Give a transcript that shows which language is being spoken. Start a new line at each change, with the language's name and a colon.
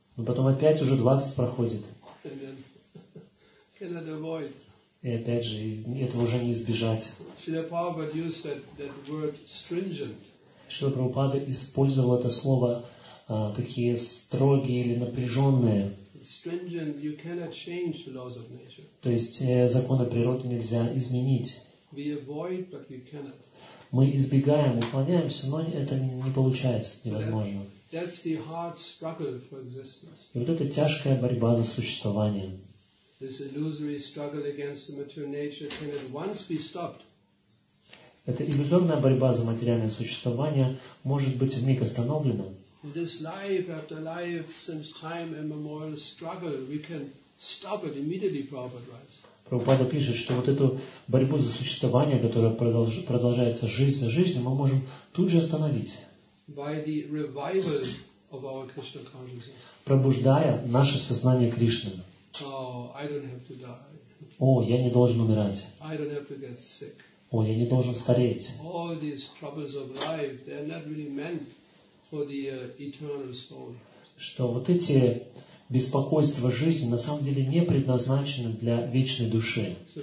Russian: Но потом опять уже 20 проходит.
English: And then, cannot avoid.
Russian: И опять же, этого уже не избежать.
English: Шрила Прабхупада used that word stringent.
Russian: Шрила Прабхупада использовал это слово такие строгие или напряженные.
English: Stringent, you cannot change the laws of nature.
Russian: То есть законы природы нельзя изменить.
English: We avoid, but you cannot.
Russian: Мы избегаем, уклоняемся, но это не получается, невозможно.
English: That's the hard struggle for existence.
Russian: И вот это тяжкая борьба за существование.
English: This illusory struggle against the material nature can at once be stopped.
Russian: Эта иллюзорная борьба за материальное существование может быть вмиг остановлена.
English: This life after life since time immemorial struggle, we can stop it immediately, Prabhupada writes.
Russian: Прабхупада пишет, что вот эту борьбу за существование, которая продолжается жизнь за жизнью, мы можем тут же остановить.
English: By the revival of our Krishna consciousness.
Russian: Пробуждая наше сознание Кришны.
English: Oh, I don't have to die.
Russian: О, я не должен умирать.
English: I don't have to get sick.
Russian: О, я не должен стареть.
English: All these troubles of life, they're not really meant for the eternal soul.
Russian: Что вот эти беспокойство жизни на самом деле не предназначено для вечной души.